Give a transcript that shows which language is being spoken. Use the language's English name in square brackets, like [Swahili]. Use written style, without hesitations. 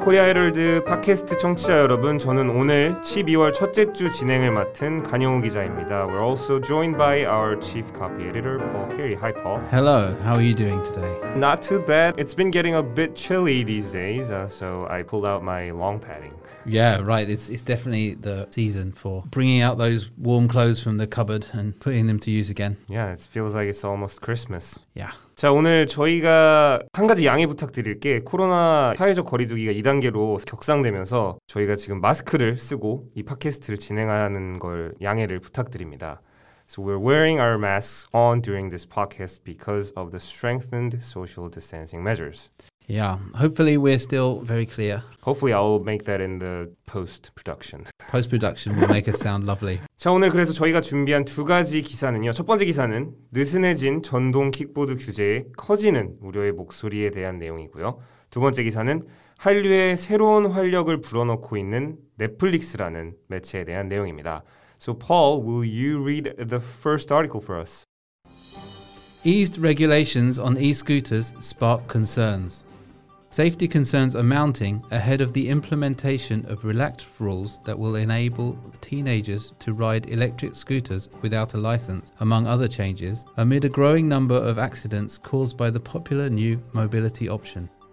[Korean] 코리아 헤럴드 팟캐스트 청취자 여러분, 저는 오늘 12월 첫째 주 진행을 맡은 간영우 기자입니다. [English] We're also joined by our chief copy editor, Paul Carey. Hi, Paul. Hello. How are you doing today? Not too bad. It's been getting a bit chilly these days, so I pulled out my long padding. Yeah, right. It's definitely the season for bringing out those warm clothes from the cupboard and putting them to use again. Yeah, it feels like it's almost Christmas. Yeah. [Korean] 자, 오늘 저희가 한 가지 양해 부탁드릴 게, 코로나 사회적 거리두기가 2단계로 격상되면서 저희가 지금 마스크를 쓰고 이 팟캐스트를 진행하는 걸 양해를 부탁드립니다. [English] So we're wearing our masks on during this podcast because of the strengthened social distancing measures. Yeah, hopefully we're still very clear. Hopefully I'll make that in the post-production. Post-production will make us sound lovely. [Korean] 자, 오늘 그래서 저희가 준비한 두 가지 기사는요. 첫 번째 기사는 느슨해진 전동킥보드 규제에 커지는 우려의 목소리에 대한 내용이고요. 두 번째 기사는 한류의 새로운 활력을 불어넣고 있는 넷플릭스라는 매체에 대한 내용입니다. [English] So Paul, will you read the first article for us? Eased regulations on e-scooters spark concerns. Safety concerns are mounting ahead of the implementation of relaxed rules that will enable teenagers to ride electric scooters without a license, among other changes, amid a growing number of accidents caused by the popular new mobility option.